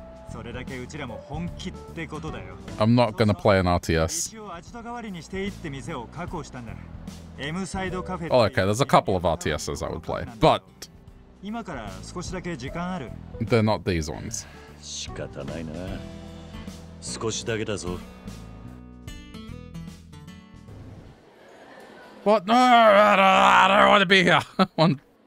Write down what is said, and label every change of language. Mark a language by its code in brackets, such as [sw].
[ja] それだけうちらも本気ってことだよ。 [en] I'm not gonna play an RTS. [ja] 一応味と代わりにしていいって店を確保したんだ。M サイドカフェ。 [en] Oh, okay. There's a couple of RTSs I would play, but. [ja] 今から少しだけ時間ある。 [en] They're not these ones. [ja] 仕方ないな。少しだけだぞ。 [en] What? No! I don't want to be here!